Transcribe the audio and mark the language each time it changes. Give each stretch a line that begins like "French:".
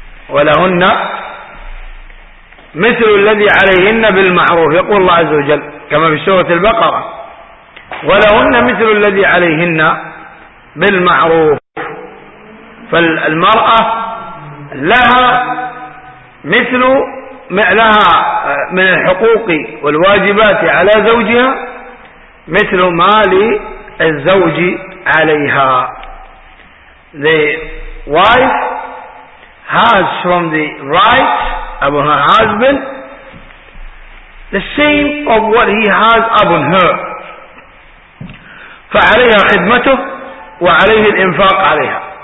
Arabic: ولهن مثل الذي عليهن بالمعروف يقول الله عز وجل كما في سورة البقرة ولهن مثل الذي عليهن بالمعروف. فالمرأة لها مثل لها من الحقوق والواجبات على زوجها مثل مال الزوج عليها.
English: The wife has from the right of her husband the same of what he has upon her.
Arabic: فعليها خدمته وعليه الإنفاق عليها.